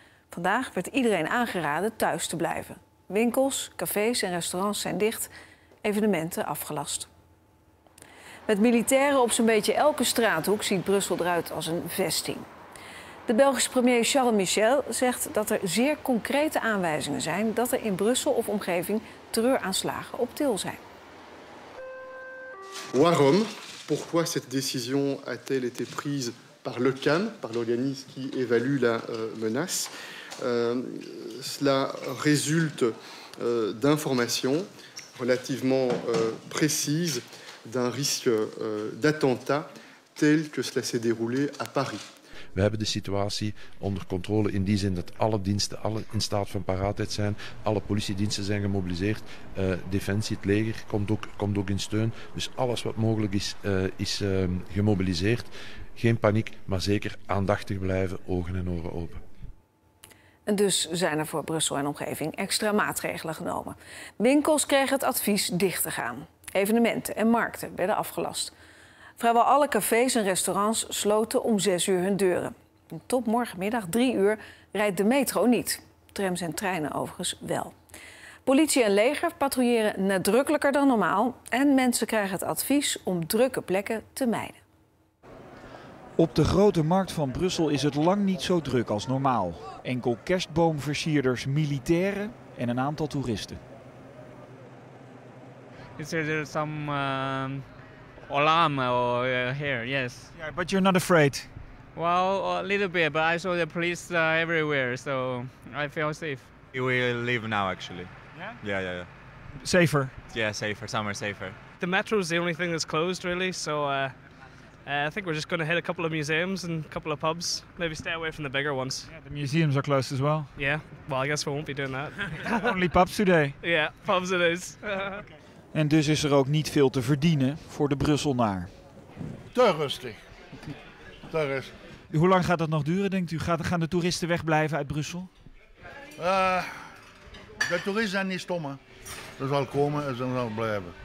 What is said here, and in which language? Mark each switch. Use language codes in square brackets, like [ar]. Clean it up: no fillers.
[nl] Vandaag werd iedereen aangeraden thuis te blijven. Winkels, cafés en restaurants zijn dicht, evenementen afgelast. Met militairen op zo'n beetje elke straathoek ziet Brussel eruit als een vesting. De Belgische premier Charles Michel zegt dat er zeer concrete aanwijzingen zijn dat er in Brussel of omgeving terreuraanslagen op til zijn. Waarom? [fr] Pourquoi cette décision a-t-elle été prise par l'OCAM, par l'organisme qui évalue la menace? Cela résulte d'informations relativement précises. D'un risque d'attentat tel que cela s'est déroulé à Paris. [nl] We hebben de situatie onder controle in die zin dat alle diensten alle in staat van paraatheid zijn. Alle politiediensten zijn gemobiliseerd. Defensie, het leger, komt ook in steun. Dus alles wat mogelijk is, gemobiliseerd. Geen paniek, maar zeker aandachtig blijven, ogen en oren open. En dus zijn er voor Brussel en omgeving extra maatregelen genomen. Winkels kregen het advies dicht te gaan. Evenementen en markten werden afgelast. Vrijwel alle cafés en restaurants sloten om 6 uur hun deuren. En tot morgenmiddag 3 uur rijdt de metro niet. Trams en treinen overigens wel. Politie en leger patrouilleren nadrukkelijker dan normaal. En mensen krijgen het advies om drukke plekken te mijden. Op de grote markt van Brussel is het lang niet zo druk als normaal. Enkel kerstboomversierders, militairen en een aantal toeristen. [en] He said there's some alarm here, yes. Yeah, but you're not afraid? Well, a little bit, but I saw the police everywhere, so I feel safe. We leave now, actually. Yeah? Yeah. Safer? Yeah, safer. Somewhere safer. The metro is the only thing that's closed, really, so I think we're just going to hit a couple of museums and a couple of pubs. Maybe stay away from the bigger ones. Yeah, the museums are closed as well. Yeah, well, I guess we won't be doing that. Only pubs today? Yeah, pubs it is. Okay. [nl] En dus is er ook niet veel te verdienen voor de Brusselnaar. Te rustig. Te rustig. Hoe lang gaat dat nog duren, denkt u? Gaan de toeristen wegblijven uit Brussel? De toeristen zijn niet stom. Ze zal komen en ze zal blijven.